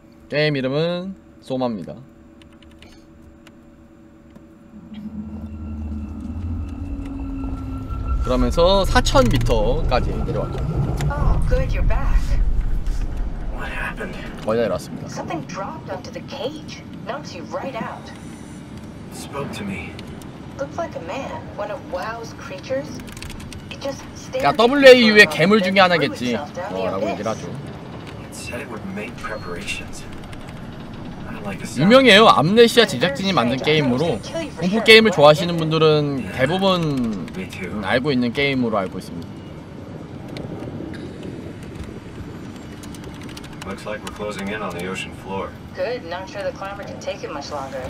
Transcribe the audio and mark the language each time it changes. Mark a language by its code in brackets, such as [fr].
[ko] 게임 이름은 소마입니다. 그러면서 4000m까지 내려왔죠. [en] Oh, good, you're back. What happened? [ko] 거의 내려왔습니다. [en] Something dropped onto the cage, knocks you right out. Spoke to me. Looks like a man, one of WoW's creatures. It just stands. [ko] 야, WAU의 괴물 중에 하나겠지. 뭐라고 얘기를 하죠. [en] It said it would make preparations. [ko] 유명해요. 암네시아 제작진이 만든 게임으로 공포 게임을 좋아하시는 분들은 대부분 알고 있는 게임으로 알고 있습니다. [en] Looks like we're closing in on the ocean floor. Good. Not sure the climber can take it much longer.